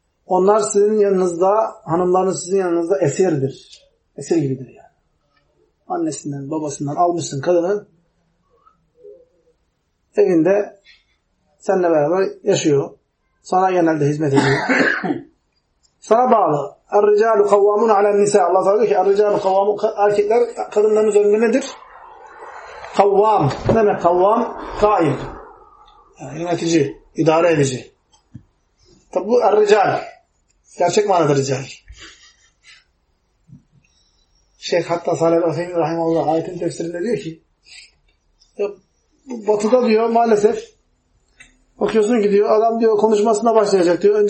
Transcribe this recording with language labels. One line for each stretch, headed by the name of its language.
Turkish: Onlar sizin yanınızda, hanımlarınız sizin yanınızda esirdir. Esir gibidir yani. Annesinden, babasından almışsın kadını. Evinde seninle beraber yaşıyor. Sana genelde hizmet ediyor. Sana bağlı.
Arabic: الرجال قوامون على النساء الله تعالى
Turkish: ki
Arabic: الرجال قوامون
Turkish: erkekler kadınların üzerinde nedir? Kavvam. Ne demek kavvam? Kaim. Yani yönetici, idare edici. Tabi bu الرجال. Gerçek manada rical. Şeyh hatta Salih-i Rahimallah ayetin tefsirinde diyor ki bu batıda diyor maalesef bakıyorsun ki diyor adam diyor konuşmasına başlayacak diyor.